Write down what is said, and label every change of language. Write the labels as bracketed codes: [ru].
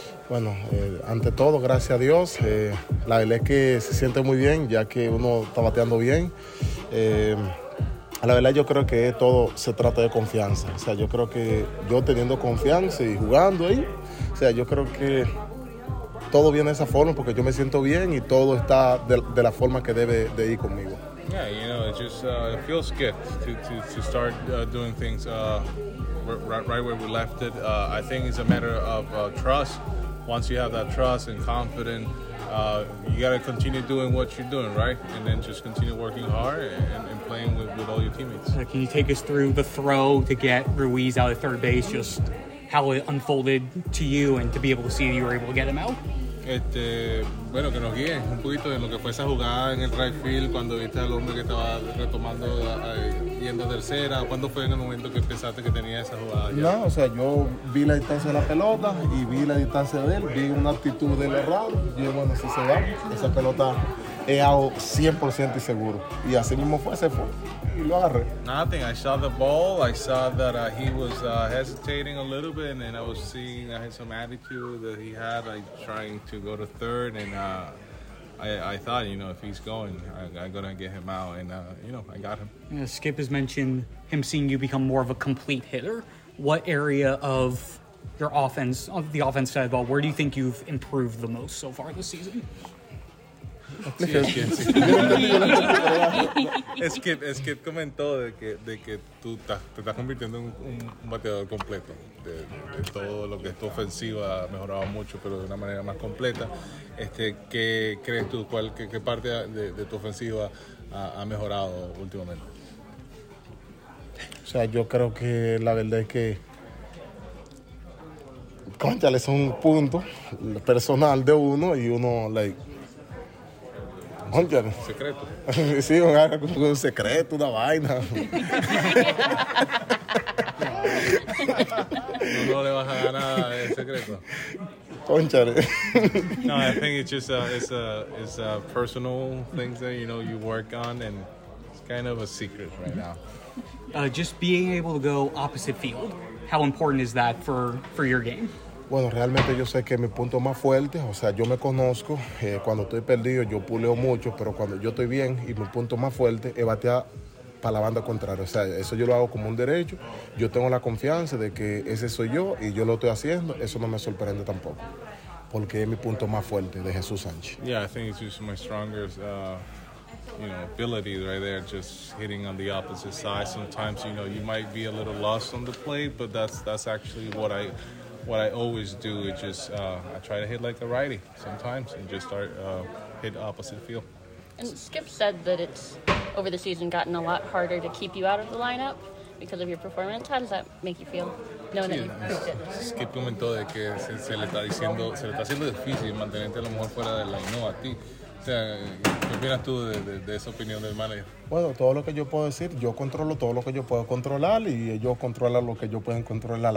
[es] Bueno, ante todo, gracias a Dios, la verdad es que se siente muy bien, ya que uno está bateando bien. La verdad yo creo que todo se trata de confianza, o sea, yo creo que yo teniendo confianza y jugando ahí, o sea, yo creo que todo viene de esa forma, porque yo me siento bien y todo está de la forma que debe de ir conmigo. [en] Yeah, you know, it feels good to start doing things right where we left it. I think it's a matter of trust. Once you have that trust and confidence, you got to continue doing what you're doing, right? And then just continue working hard and playing with all your teammates. Can you take us through the throw to get Ruiz out of third base, just how it unfolded to you and to be able to see that you were able to get him out? [es] Bueno, que nos guíen un poquito en lo que fue esa jugada en el right field cuando viste al hombre que estaba retomando yendo a tercera. ¿Cuándo fue en el momento que pensaste que tenía esa jugada ya? No, o sea, yo vi la distancia de la pelota y vi la distancia de él, vi una actitud del errado. Y bueno, si se va, esa pelota he dado 100% seguro. Y así mismo fue, se fue. [en] Nothing. I saw the ball. I saw that he was hesitating a little bit, and then I was seeing some attitude that he had, like trying to go to third. And I thought, you know, if he's going, I'm going to get him out. And, you know, I got him. Yeah, Skip has mentioned him seeing you become more of a complete hitter. What area of your offense, of the offense side of the ball, where do you think you've improved the most so far this season? [es] Skip comentó de que tú te estás convirtiendo en un bateador completo. De todo lo que es tu ofensiva ha mejorado mucho, pero de una manera más completa. ¿Qué crees tú? ¿Qué parte de tu ofensiva ha mejorado últimamente? O sea, yo creo que la verdad es que cónchale, es un punto personal de uno y uno, like, secreto. Sí, un secreto, una vaina. No le vas a ganar el secreto. Conchale. [en] No, I think it's just a personal thing that, you know, you work on, and it's kind of a secret right now. Just being able to go opposite field, how important is that for your game? [es] Bueno, realmente yo sé que mi punto más fuerte, o sea, yo me conozco, cuando estoy perdido yo puleo mucho, pero cuando yo estoy bien y mi punto más fuerte es batear para la banda contraria. O sea, eso yo lo hago como un derecho. Yo tengo la confianza de que ese soy yo y yo lo estoy haciendo. Eso no me sorprende tampoco, porque es mi punto más fuerte de Jesús Sánchez. [en] Yeah, I think it's just my strongest, ability right there, just hitting on the opposite side. Sometimes, you know, you might be a little lost on the plate, but that's actually what I always do. It's just I try to hit like a righty sometimes and just start hit opposite field. And Skip said that it's over the season gotten a lot harder to keep you out of the lineup because of your performance. How does that make you feel? [es] Skip comentó de que se le está haciendo difícil mantenerte a lo mejor fuera del lineup a ti. ¿Qué opinas tú de esa opinión del manager? Bueno, todo lo que yo puedo decir, yo controlo todo lo que yo puedo controlar y ellos controlan lo que yo pueden controlar.